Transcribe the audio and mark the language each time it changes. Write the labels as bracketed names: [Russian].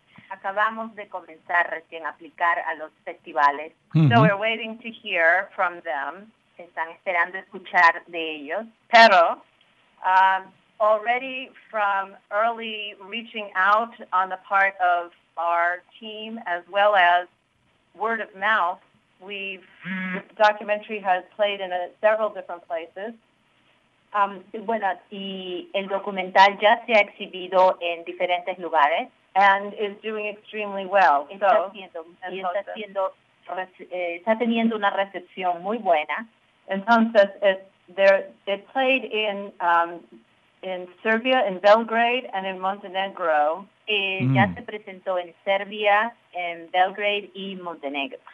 [Spanish] Acabamos de comenzar recién a aplicar a los festivales. [English] Mm-hmm. So we're waiting to hear from them. [Spanish] Están esperando escuchar de ellos. Pero [English] already from early reaching out on the part of our team as well as word of mouth, the documentary has played in several different places. [Spanish] Bueno, y el documental ya se ha exhibido en diferentes lugares. [English] And is doing extremely well. [Spanish] Está teniendo una recepción muy buena. Entonces, [English] it played in Serbia, in Belgrade, and in Montenegro. [Spanish] Ya se presentó en Serbia, en Belgrade y Montenegro.